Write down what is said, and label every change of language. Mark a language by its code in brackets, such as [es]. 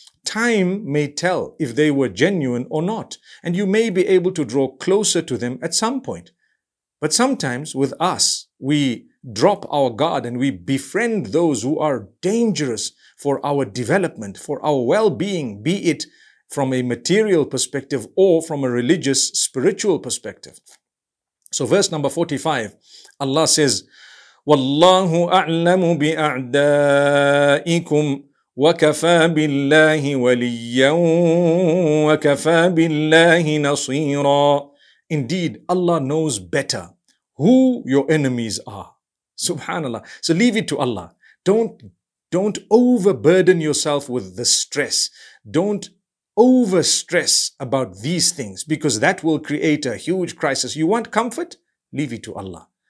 [en] Time may tell if they were genuine or not, and you may be able to draw closer to them at some point. But sometimes with us, we drop our guard and we befriend those who are dangerous for our development, for our well-being, be it from a material perspective or from a religious spiritual perspective. So verse number 45, Allah says, [ar] وَاللَّهُ أَعْلَمُ بِأَعْدَائِكُمْ وَكَفَى بِاللَّهِ وَلِيًّا وَكَفَى بِاللَّهِ نَصِيرًا. [en] Indeed, Allah knows better who your enemies are. Subhanallah. So leave it to Allah. Don't overburden yourself with the stress. Don't overstress about these things, because that will create a huge crisis. You want comfort? Leave it to Allah.